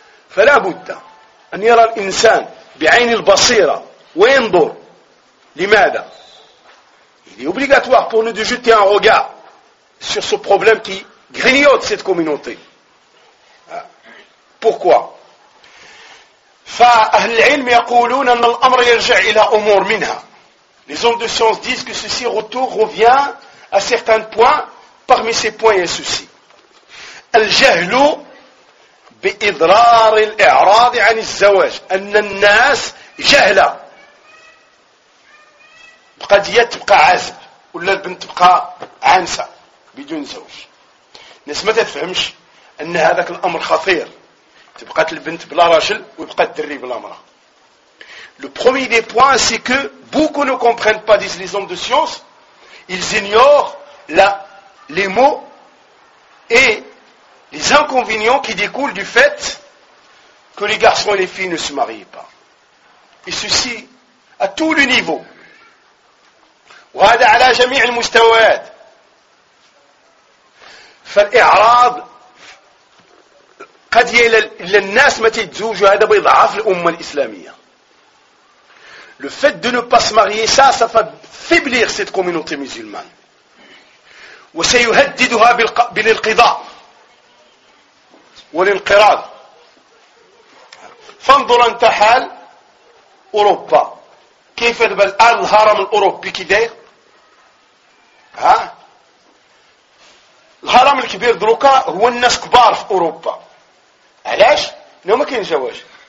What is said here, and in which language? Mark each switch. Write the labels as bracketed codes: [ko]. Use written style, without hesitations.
[ar] فلا بد أن يرى الإنسان بعين البصيرة وينظر لماذا؟ [fr] Il est obligatoire pour nous de jeter un regard sur ce problème qui grignote cette communauté. Pourquoi? [ar] فأهل العلم يقولون أن الأمر يرجع إلى أمور منها. [fr] Les hommes de science disent que ceci revient à certains points. Parmi ces points est ceci. [ar] الجهل بإضرار الإعراض عن الزواج أن الناس جهلة قد يتبقى عازب ولا البنت تبقى عانسة بدون زوج الناس ما تفهمش أن هذاك الأمر خطير تبقى البنت بلا رجل ويبقى الدري بلا مرأة [fr] Le premier des points c'est que beaucoup ne comprennent pas disent les hommes de science ils ignorent les mots et Les inconvénients qui découlent du fait que les garçons et les filles ne se marient pas. Et ceci à tous les niveaux. [ar] وهذا على جميع المستويات. فالإعراض قد يل الناس ما تتزوج هذا بيضعف الأمة الإسلامية. [fr] Le fait de ne pas se marier ça va faiblir cette communauté musulmane. [ar] وسيهددها بالانقضاء. والانقراض فانظر انت حال اوروبا كيف دابا الان الهرم الاوروبي كي داير ها الهرم الكبير دروكا هو الناس كبار في اوروبا علاش انه ما كاين زواج